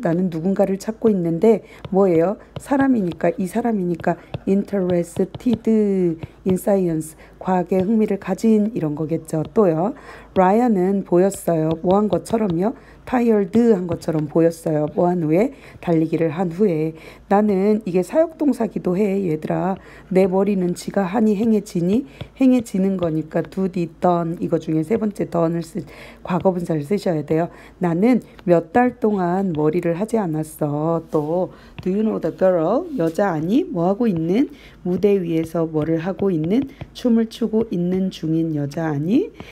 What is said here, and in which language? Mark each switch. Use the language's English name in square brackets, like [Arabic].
[Korean] 나는 누군가를 찾고 있는데 뭐예요? 사람이니까, 이 사람이니까 [English] interested in science. [Korean] 과학에 흥미를 가진 이런 거겠죠. 또요. 라이언은 보였어요. 뭐 한 것처럼요? tired 한 것처럼 보였어요. 뭐 한 후에? 달리기를 한 후에. 나는 이게 사역동사기도 해. 얘들아, 내 머리는 지가 하니 행해지니? 행해지는 거니까 do, did, done. 이거 중에 세 번째 done을 쓸 과거분사를 쓰셔야 돼요. 나는 몇 달 동안 머리를 하지 않았어. 또 [English] do you know the girl? [Korean] 여자 아니? 뭐 하고 있는? 무대 위에서 뭐를 하고 있는? 춤을 추고 있는 중인 여자 아니?